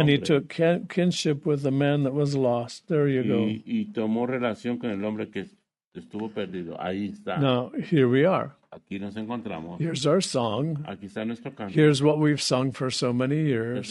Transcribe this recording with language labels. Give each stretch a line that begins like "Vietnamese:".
English: And he took kinship with the man that was lost. There you go.
Spanish: Y tomó relación con el hombre que estuvo perdido. Ahí está.
English: Now, here we are.
Spanish: Aquí nos encontramos.
English: Here's our song.
Spanish: Aquí está nuestro canto.
English: Here's what we've sung for so many years.